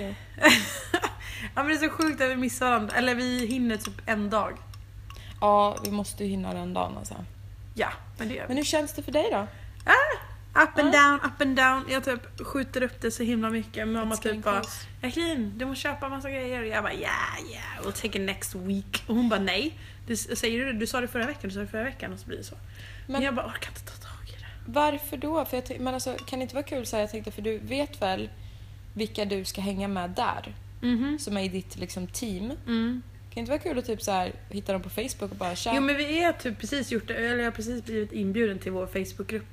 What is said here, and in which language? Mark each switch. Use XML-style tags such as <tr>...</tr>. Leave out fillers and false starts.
<sv>ja. Ja, men det är så sjukt att vi missar varandra. Eller vi hinner typ en dag. Ja, vi måste ju hinna den dagen alltså. Ja, men det gör vi. Men hur känns det för dig då?</sv> <en>Up and down.</en> <sv>Jag typ skjuter upp det så himla mycket. Mamma typ bara, Jacqueline, du måste köpa massa grejer. Och jag bara,</sv> <en>yeah, we'll take it next week.</en> <sv>Och hon bara, nej. Du sa det förra veckan. Och så blir det så. Men jag bara, orkar inte ta tag i det. Varför då? För jag men alltså, kan det inte vara kul så här? Jag tänkte, för du vet väl vilka du ska hänga med där. Mm-hmm. Som är i ditt liksom team. Mm. Kan det inte vara kul att typ så här, hitta dem på Facebook och bara tja. Jo, men vi är typ precis gjort det. Eller jag har precis blivit inbjuden till vår Facebookgrupp.</sv>